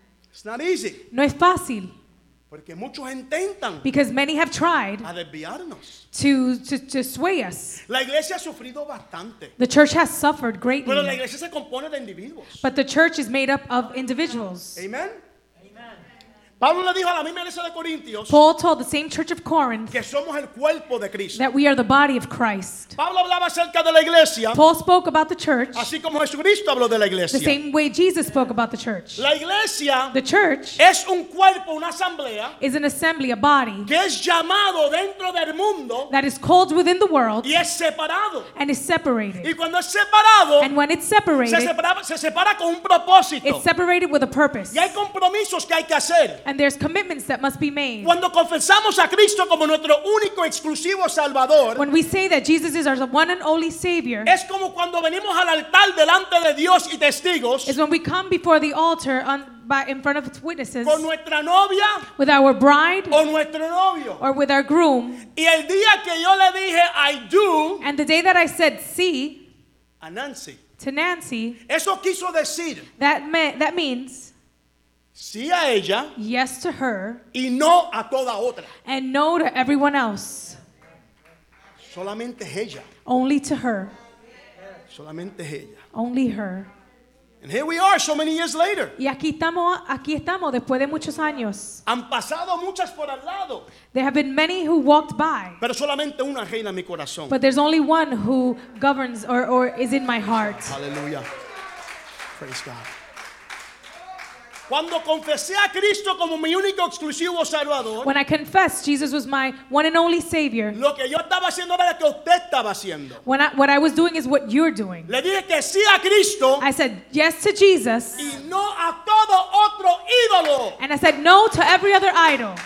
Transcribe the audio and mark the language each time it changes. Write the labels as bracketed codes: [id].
[en] It's not easy. [es] No es fácil. Porque muchos intentan, [en] because many have tried, [es] a desviarnos, [en] to sway us. [es] La iglesia ha sufrido bastante. [en] The church has suffered greatly. [es] Pero la iglesia se compone de individuos. [en] But the church is made up of individuals. Amen. [es] Pablo le dijo a la misma iglesia de Corintios, [en] Paul told the same church of Corinth, [es] que somos el cuerpo de Cristo, [en] that we are the body of Christ. [es] Pablo hablaba acerca de la iglesia, [en] Paul spoke about the church, [es] así como Jesucristo habló de la iglesia, [en] the same way Jesus spoke about the church. [es] La iglesia, [en] the church, [es] es un cuerpo, una asamblea, [en] is an assembly, a body, [es] que es llamado dentro del mundo, [en] that is called within the world, [es] y es separado, [en] and is separated. [es] Y cuando es separado, [en] and when it's separated, [es] se separa con un propósito, [en] it's separated with a purpose. [es] Y hay compromisos que hay que hacer. [en] And there's commitments that must be made. [es] Cuando confesamos a Cristo como nuestro único exclusivo Salvador, [en] when we say that Jesus is our one and only Savior, [es] es como cuando venimos al altar delante de Dios y testigos, [en] is when we come before the altar in front of its witnesses, [es] con nuestra novia, [en] with our bride, [es] o nuestro novio, [en] or with our groom. [es] Y el día que yo le dije, [en] I do, and the day that I said, see, [es] a Nancy, [en] to Nancy, [es] eso quiso decir, [en] that means, [es] sí a ella, [en] yes to her, [es] y no a toda otra, [en] and no to everyone else. [es] Solamente ella. [en] Only to her. [es] Solamente ella. [en] Only her. And here we are, so many years later. [es] Y aquí estamos después de muchos años. Han pasado muchas por al lado. [en] There have been many who walked by. [es] Pero solamente una reina en mi corazón. [en] But there's only one who governs or is in my heart. Hallelujah. Praise God. [es] Cuando confesé a Cristo como mi único exclusivo salvador, [en] when I confessed Jesus was my one and only Savior, [es] lo que yo estaba haciendo era lo que usted estaba haciendo. [en] What I was doing is what you're doing. [es] Le dije que sí a Cristo, [en] I said yes to Jesus, [es] y no a todo otro ídolo, [en] and I said no to every other idol,